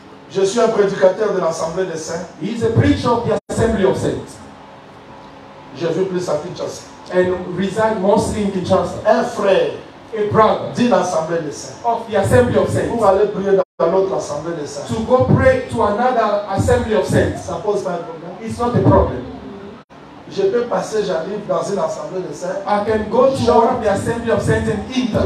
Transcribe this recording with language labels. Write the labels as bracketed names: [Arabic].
[French] Je suis un prédicateur de l'Assemblée des Saints. [English] He is a preacher of the Assembly of Saints. [French] Je vis plus à Kinshasa. [English] And reside mostly in Kinshasa. [French] Un frère, [English] a brother, [French] de l'Assemblée des Saints. [English] Of the Assembly of Saints. [French] Pour aller prier dans l'autre Assemblée des Saints. [English] To go pray to another Assembly of Saints. [French] Ça pose pas un problème. [English] It's not a problem. [French] Je peux passer, j'arrive dans une Assemblée des Saints. [English] I can go to one of the Assembly of Saints and enter.